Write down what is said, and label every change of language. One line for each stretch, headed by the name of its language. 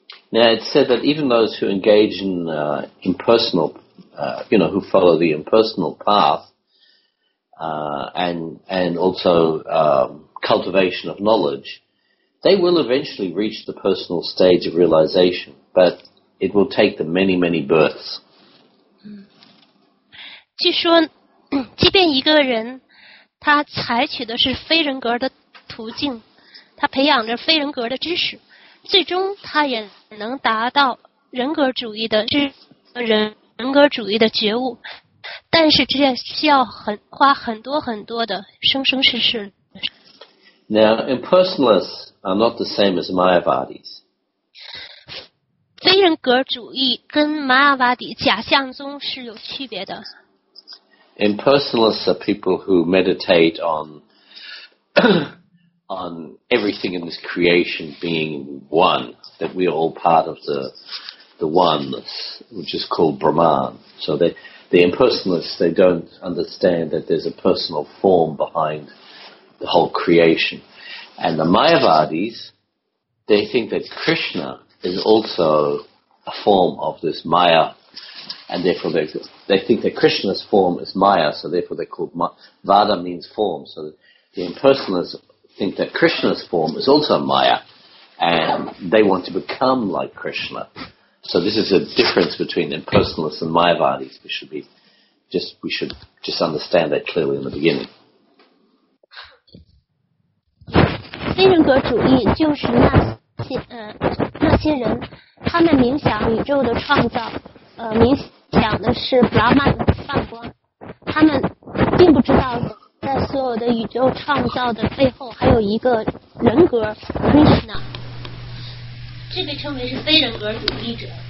English: Now it's said that even those who engage in impersonal, you know, who follow the impersonal path, and also cultivation of knowledge, they will eventually reach the personal stage of realization, but it will take them many, many births.
Chinese: 据说，即便一个人他采取的是非人格的途径，他培养着非人格的知识。最终他也能达到人格主义的人格主义的觉悟，但是这需要花很多很多的生生世世。
English: Now, impersonalists are not the same as Mayavadis.
Chinese: 非人格主义跟 Mayavadi 假象宗是有区别的。
English: Impersonalists are people who meditate on on everything in this creation being one, that we are all part of the oneness, which is called Brahman. So the impersonalists, they don't understand that there's a personal form behind the whole creation. And the Mayavadis, they think that Krishna is also a form of this Maya, and therefore they think that Krishna's form is Maya, so therefore they're called Vada means form. So the impersonalists think that Krishna's form is also Maya, and they want to become like Krishna. So this is a difference between impersonalists and Mayavadis. We should just understand that clearly in the beginning.
Chinese: 非人格主义就是那些人，他们冥想宇宙的创造，冥想的是 Brahman 的梵光，他们并不知道在所有的宇宙创造的背后还有一个人格 Krishna， 这被称为是非人格主义者。